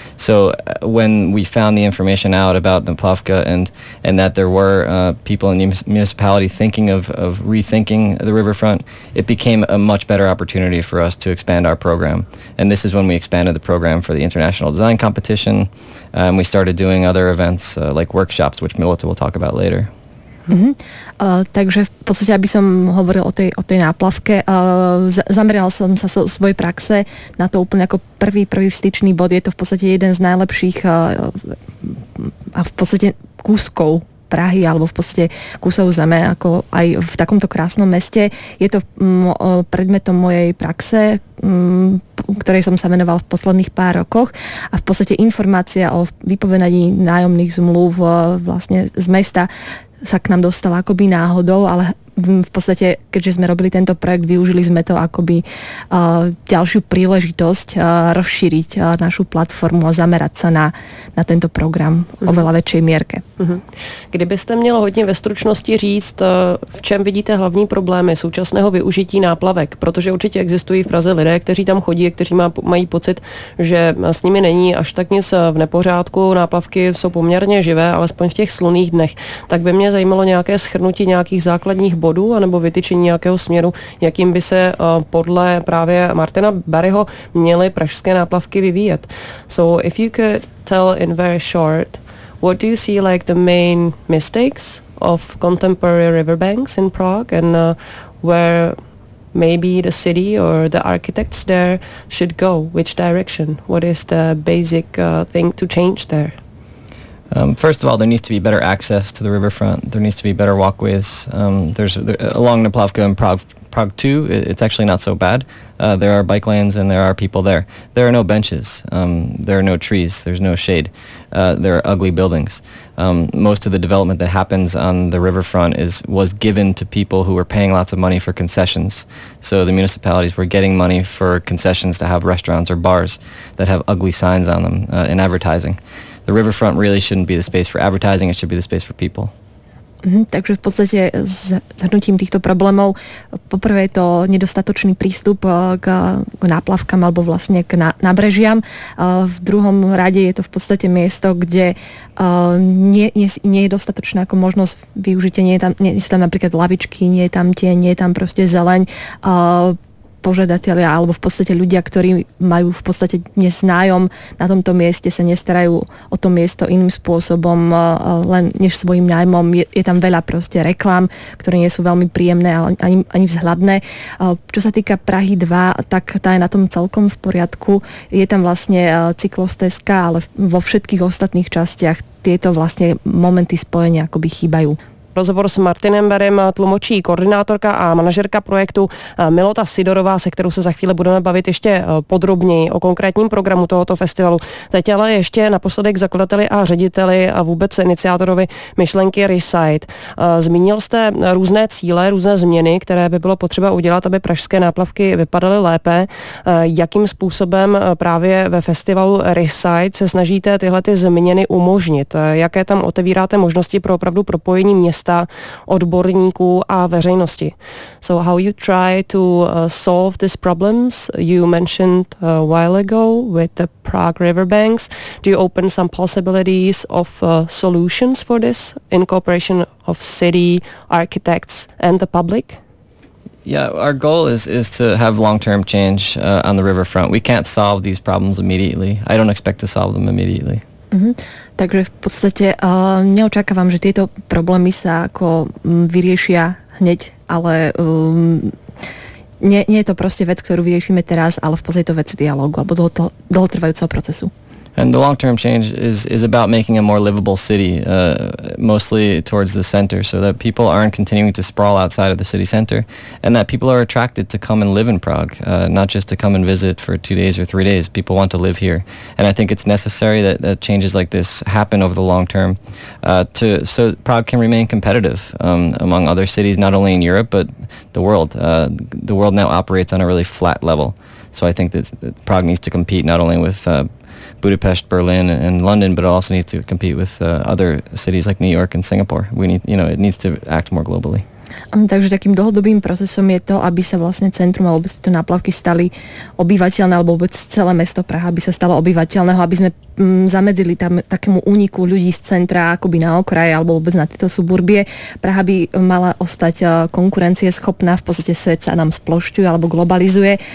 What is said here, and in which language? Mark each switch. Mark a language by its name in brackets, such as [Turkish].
[English] So when we found the information out about Naplavka and that there were people in the municipality thinking of rethinking the riverfront, it became a much better opportunity for us to expand our program. And this is when we expanded the program for the International Design Competition. We started doing other events like workshops, which Milota will talk about later. Mm-hmm. [Slovak] Takže v podstate, aby som hovoril o tej náplavke, zameral som sa svojej praxe na to úplne ako prvý styčný bod. Je to v podstate jeden z najlepších a v podstate kúskov Prahy, alebo v podstate kúsov zeme, ako aj v takomto krásnom meste. Je to predmetom mojej praxe, ktorej som sa venoval v posledných pár rokoch, a v podstate informácia o vypovedaní nájomných zmluv vlastne z mesta sa k nám dostala akoby náhodou, ale v podstate, keďže sme robili tento projekt, využili sme to akoby ďalšiu príležitosť rozšíriť našu platformu a zamerať sa na tento program o veľa väčšej mierke. [Czech] Kdybyste mělo hodně ve stručnosti říct, v čem vidíte hlavní problémy současného využití náplavek, protože určitě existují v Praze lidé, kteří tam chodí a kteří mají pocit, že s nimi není až tak nic v nepořádku, náplavky jsou poměrně živé, alespoň v těch slunných dnech, tak by mě zajímalo nějaké shrnutí nějakých základních bodů anebo vytyčení nějakého směru, jakým by se podle právě Martina Barryho měly pražské náplavky vyvíjet. [English] So if you could tell in very short, what do you see like the main mistakes of contemporary riverbanks in Prague, and where maybe the city or the architects there should go, which direction, what is the basic thing to change there? First of all, there needs to be better access to the riverfront. There needs to be better walkways. Along Naplavka and Prague 2, it's actually not so bad. There are bike lanes and there are people there. There are no benches. There are no trees. There's no shade. There are ugly buildings. Most of the development that happens on the riverfront was given to people who were paying lots of money for concessions. So the municipalities were getting money for concessions to have restaurants or bars that have ugly signs on them in advertising. The riverfront really shouldn't be the space for advertising, it should be the space for people. [Slovak] Takže v podstate s zhrnutím týchto problémov, poprvé je to nedostatočný prístup k náplavkám alebo vlastne k nábrežiam. V druhom rade je to v podstate miesto, kde nie je dostatočná ako možnosť využitia, nie sú tam napríklad lavičky, nie je tam proste zeleň. Požadatelia alebo v podstate ľudia, ktorí majú v podstate dnes nájom na tomto mieste, sa nestarajú o to miesto iným spôsobom, len než svojim nájmom. Je tam veľa proste reklám, ktoré nie sú veľmi príjemné ani vzhľadné. Čo sa týka Prahy 2, tak tá je na tom celkom v poriadku. Je tam vlastne cyklostezka, ale vo všetkých ostatných častiach tieto vlastne momenty spojenia akoby chýbajú. [Czech] Rozhovor s Martinem Barrym tlumočí koordinátorka a manažerka projektu Milota Sidorová, se kterou se za chvíli budeme bavit ještě podrobněji o konkrétním programu tohoto festivalu. Teď ale ještě naposledek zakladateli a řediteli a vůbec iniciátorovi myšlenky Resite. Zmínil jste různé cíle, různé změny, které by bylo potřeba udělat, aby pražské náplavky vypadaly lépe. Jakým způsobem právě ve festivalu Resite se snažíte tyhle ty změny umožnit? Jaké tam otevíráte možnosti pro opravdu propojení města, odborníků a veřejnosti. [English] So how you try to solve these problems you mentioned a while ago with the Prague riverbanks, do you open some possibilities of solutions for this in cooperation of city architects and the public? Yeah, our goal is to have long-term change on the riverfront. We can't solve these problems immediately. I don't expect to solve them immediately. Mm-hmm. [Slovak] Takže v podstate neočakávam, že tieto problémy sa ako vyriešia hneď, ale nie je to proste vec, ktorú vyriešime teraz, ale v podstate je to vec dialógu alebo dlhotrvajúceho procesu. [English] And the long-term change is about making a more livable city, mostly towards the center, so that people aren't continuing to sprawl outside of the city center, and that people are attracted to come and live in Prague, not just to come and visit for 2 days or 3 days. People want to live here. And I think it's necessary that changes like this happen over the long term so Prague can remain competitive among other cities, not only in Europe, but the world. The world now operates on a really flat level. So I think that Prague needs to compete not only with Budapest, Berlin, and London, but it also needs to compete with other cities like New York and Singapore. We need, it needs to act more globally. [Slovak] Takže takým dlhodobým procesom je to, aby sa vlastne centrum a vôbec tieto náplavky stali obyvateľné, alebo vôbec celé mesto Praha, aby sa stalo obyvateľného, aby sme zamedzili tam takému úniku ľudí z centra, akoby na okraje, alebo vôbec na tieto suburbie. Praha by mala ostať konkurencieschopná, v podstate svet sa nám splošťuje alebo globalizuje.